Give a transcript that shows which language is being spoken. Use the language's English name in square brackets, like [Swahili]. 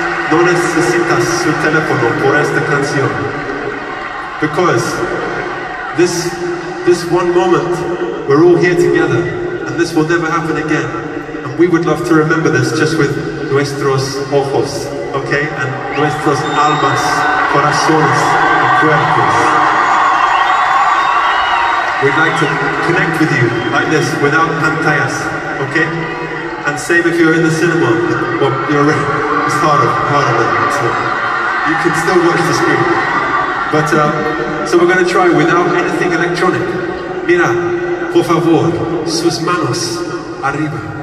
[Spanish] No necesitas su teléfono por esta canción. [English] Because this one moment, we're all here together, and this will never happen again. And we would love to remember this just with [Spanish] nuestros ojos, [English] okay? And [Spanish] nuestros almas, corazones, and cuerpos. [English] We'd like to connect with you like this, without [Spanish] pantallas, [English] okay? And same if you're in the cinema, well, you're it's harder than that, so you can still watch the screen. But, so we're going to try without anything electronic. [Spanish] Mira, por favor, sus manos arriba.